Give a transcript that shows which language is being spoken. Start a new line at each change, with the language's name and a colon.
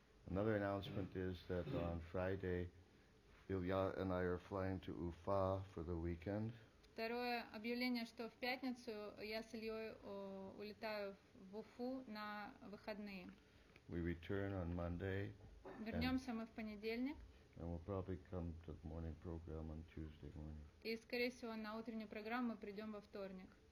English: Another announcement is that on Friday, Ilya and I are flying to Ufa for the weekend.
Russian: Второе объявление, что в пятницу я с Ильей улетаю в Уфу на выходные.
English: We return on Monday.
Russian: Вернемся мы в понедельник.
English: And we'll probably come to the morning program on Tuesday morning.
Russian: И, скорее всего, на утреннюю программу придем во вторник.